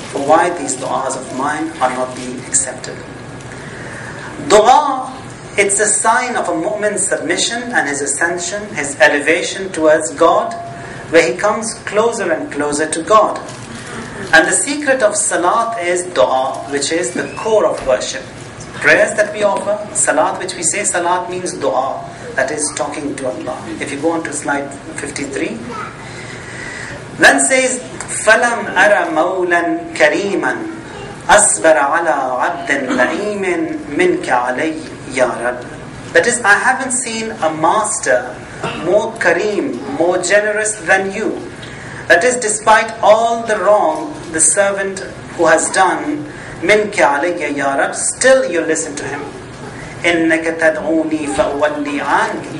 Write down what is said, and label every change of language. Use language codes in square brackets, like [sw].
[en] for why these du'as of mine are not being accepted. Du'a, it's a sign of a mu'min's submission and his ascension, his elevation towards God, where he comes closer and closer to God. And the secret of salat is du'a, which is the core of worship. Prayers that we offer, salat, which we say salat means du'a, that is talking to Allah. If you go on to slide 53, then says, [ar] فَلَمْ أَرَ مَوْلًا كَرِيمًا أَصْبَرَ عَلَىٰ عَبْدٍ لَعِيمٍ مِنْكَ عَلَيْهِ يَا رَبِّ. [en] That is, I haven't seen a master more kareem, more generous than you. That is, despite all the wrong the servant who has done, [ar] مِنْكَ عَلَيْهِ يَا رَبِّ, [en] still you listen to him. [ar] إِنَّكَ تَدْعُونِي فَأُوَلِّي عَنْكَ.